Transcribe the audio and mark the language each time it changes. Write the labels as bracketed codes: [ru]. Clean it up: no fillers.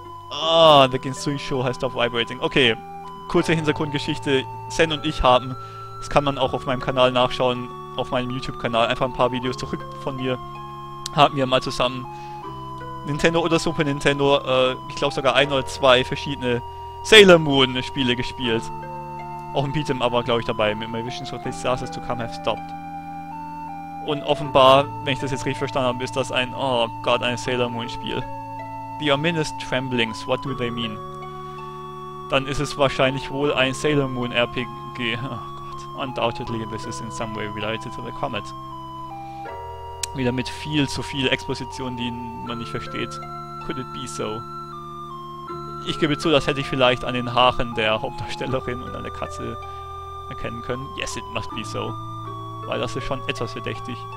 [en] Ah, oh, the Ginsui Show has stopped vibrating. [de] Okay, kurze Hintergrundgeschichte. Sen und ich haben... Das kann man auch auf meinem Kanal nachschauen. Auf meinem YouTube-Kanal einfach ein paar Videos zurück von mir, haben wir mal zusammen Nintendo oder Super Nintendo, ich glaube sogar ein oder zwei verschiedene Sailor Moon Spiele gespielt. Auch ein Beat'em aber glaube ich dabei, mit [en] My Visions of Disasters to Come Have Stopped. [de] Und offenbar, wenn ich das jetzt richtig verstanden habe, ist das ein, oh Gott, ein Sailor Moon Spiel. [en] The Ominous Tremblings, what do they mean? [de] Dann ist es wahrscheinlich wohl ein Sailor Moon RPG. [en] Undoubtedly, this is in some way related to the comet. [de] Wieder mit viel zu viel Exposition, die man nicht versteht. [en] Could it be so? [de] Ich gebe zu, das hätte ich vielleicht an den Haaren der Hauptdarstellerin und an der Katze erkennen können. [en] Yes, it must be so. [de] Weil das ist schon etwas verdächtig.